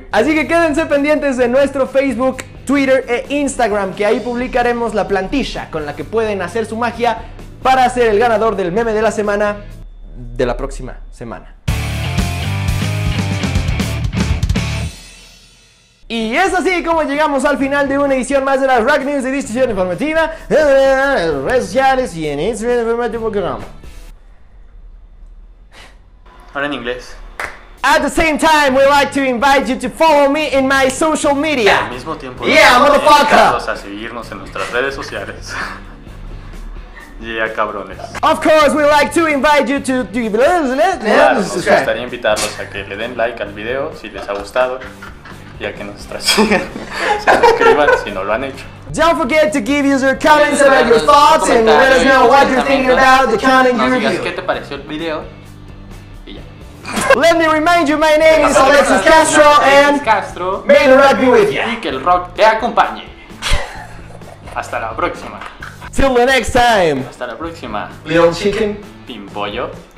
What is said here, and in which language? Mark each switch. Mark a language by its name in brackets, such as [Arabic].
[Spanish] Así que quédense pendientes de nuestro Facebook, Twitter e Instagram, que ahí publicaremos la plantilla con la que pueden hacer su magia para ser el ganador del meme de la semana de la próxima semana. Y es así como llegamos al final de una edición más de las Rock News de Distorsión Informativa en redes sociales y en Instagram Informativo.com. Ahora en inglés. [English] At the same time, we'd like to invite you to follow me in my social media. [Spanish] Al mismo tiempo. [English] Yeah, motherfucker. [Spanish] A seguirnos en nuestras redes sociales. [English] Yeah, [Spanish] cabrones. [English] Of course, we'd like to invite you to... [Spanish] Nos gustaría invitarlos a que le den like al video si les ha gustado y a que nos sigan. Se suscriban si no lo han hecho. [English] Don't forget to give us your comments about your thoughts and let us know what you're thinking about the counting group. [Spanish] Nos digas qué te pareció el video y ya. [English] Let me remind you, my name is Alexis Castro and... Castro. May the rock be with you. [Spanish] Y que el rock te acompañe. Hasta la próxima. [English] Till the next time. [Spanish] Hasta la próxima. [English] Little chicken. [Spanish] Pimpollo.